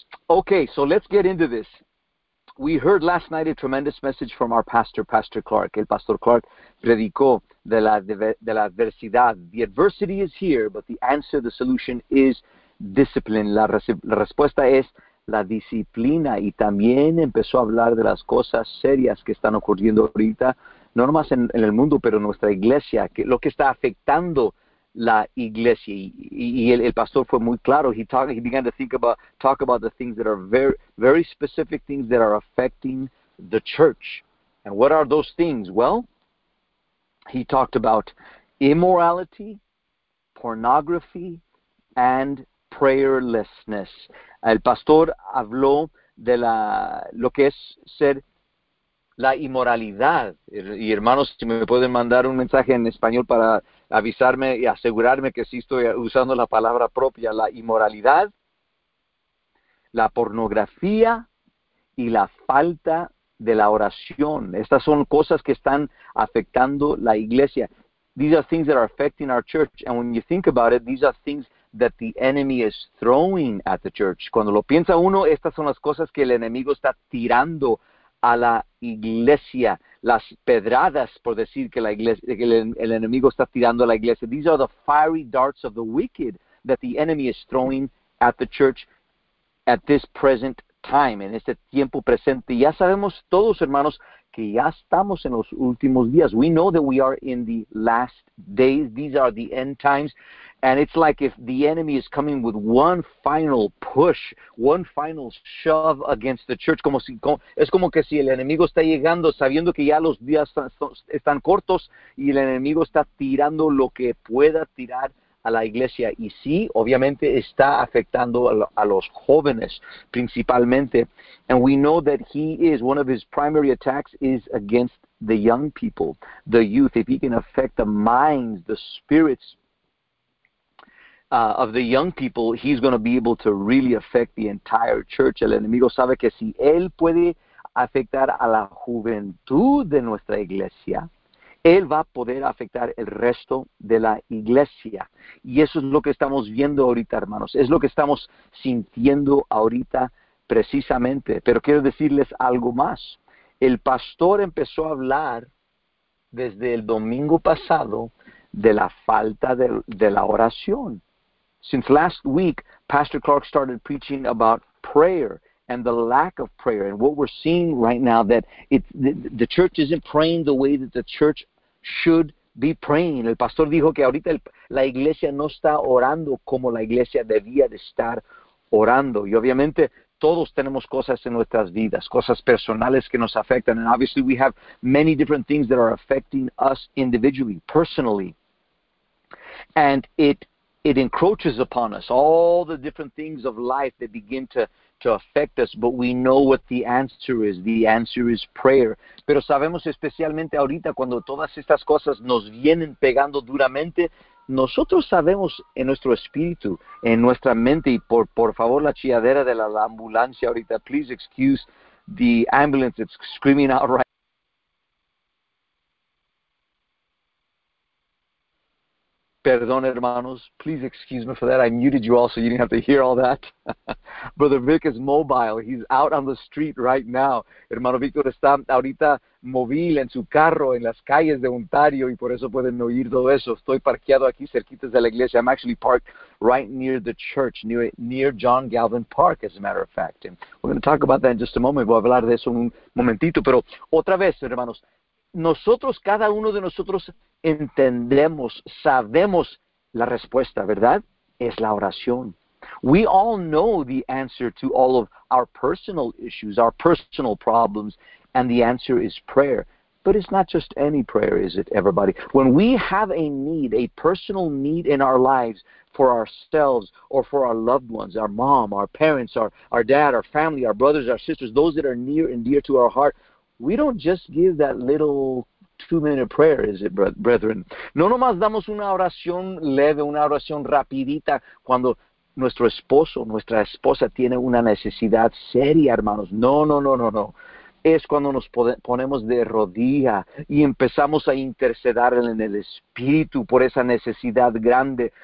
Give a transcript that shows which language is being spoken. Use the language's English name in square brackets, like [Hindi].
[English] Okay, so let's get into this. We heard last night a tremendous message from our pastor, Pastor Clark. [Spanish] El Pastor Clark predicó de la adversidad. [English] The adversity is here, but the answer, the solution is discipline. [Spanish] La respuesta es la disciplina. Y también empezó a hablar de las cosas serias que están ocurriendo ahorita, no nomás en el mundo, pero en nuestra iglesia, que lo que está afectando la iglesia. Y el pastor fue muy claro. [English] He began to talk about the things that are very, very specific things that are affecting the church. And what are those things? Well, he talked about immorality, pornography, and prayerlessness. [Spanish] El pastor habló de la lo que es ser la inmoralidad. Y hermanos, si me pueden mandar un mensaje en español para avisarme y asegurarme que sí estoy usando la palabra propia, la inmoralidad, la pornografía y la falta de la oración. Estas son cosas que están afectando la iglesia. [English] These are things that are affecting our church. And when you think about it, these are things that the enemy is throwing at the church. [Spanish] Cuando lo piensa uno, estas son las cosas que el enemigo está tirando a la iglesia, las pedradas, por decir que la iglesia, que el enemigo está tirando a la iglesia. [English] These are the fiery darts of the wicked that the enemy is throwing at the church at this present time, [Spanish] en este tiempo presente. Ya sabemos todos, hermanos, que ya estamos en los últimos días. [English] We know that we are in the last days. These are the end times. And it's like if the enemy is coming with one final push, one final shove against the church. [Spanish] Como si, es como que si el enemigo está llegando sabiendo que ya los días están cortos y el enemigo está tirando lo que pueda tirar a la iglesia. Y sí, obviamente está afectando a los jóvenes principalmente. [English] And we know that one of his primary attacks is against the young people, the youth. If he can affect the minds, the spirits of the young people, he's going to be able to really affect the entire church. [Spanish] El enemigo sabe que si él puede afectar a la juventud de nuestra iglesia, él va a poder afectar el resto de la iglesia. Y eso es lo que estamos viendo ahorita, hermanos. Es lo que estamos sintiendo ahorita precisamente. Pero quiero decirles algo más. El pastor empezó a hablar desde el domingo pasado de la falta de la oración. [English] Since last week, Pastor Clark started preaching about prayer and the lack of prayer. And what we're seeing right now, that the church isn't praying the way that the church should be praying. [Spanish] El pastor dijo que ahorita la iglesia no está orando como la iglesia debía de estar orando. Y obviamente todos tenemos cosas en nuestras vidas, cosas personales que nos afectan. [English] And obviously we have many different things that are affecting us individually, personally. And it encroaches upon us, all the different things of life that begin to affect us, but we know what the answer is. The answer is prayer. [Spanish] Pero sabemos especialmente ahorita cuando todas estas cosas nos vienen pegando duramente, nosotros sabemos en nuestro espíritu, en nuestra mente, y por favor la chilladera de la ambulancia ahorita, [English] please excuse the ambulance, it's screaming out right. [Spanish] Perdón, hermanos. [English] Please excuse me for that. I muted you all so you didn't have to hear all that. Brother Vic is mobile. He's out on the street right now. [Spanish] Hermano Víctor está ahorita móvil en su carro en las calles de Ontario y por eso pueden oír todo eso. Estoy parqueado aquí cerquitas de la iglesia. [English] I'm actually parked right near the church, near John Galvin Park, as a matter of fact. And we're going to talk about that in just a moment. [Spanish] Voy a hablar de eso un momentito. Pero otra vez, hermanos, nosotros, cada uno de nosotros, entendemos, sabemos la respuesta, ¿verdad? Es la oración. [English] We all know the answer to all of our personal issues, our personal problems, and the answer is prayer. But it's not just any prayer, is it, everybody? When we have a need, a personal need in our lives for ourselves or for our loved ones, our mom, our parents, our dad, our family, our brothers, our sisters, those that are near and dear to our heart, we don't just give that little two-minute prayer, is it, brethren? [Spanish] No nomás damos una oración leve, una oración rapidita, cuando nuestro esposo, nuestra esposa tiene una necesidad seria, hermanos. No. es cuando nos ponemos de rodilla y empezamos a interceder en el Espíritu por esa necesidad grande.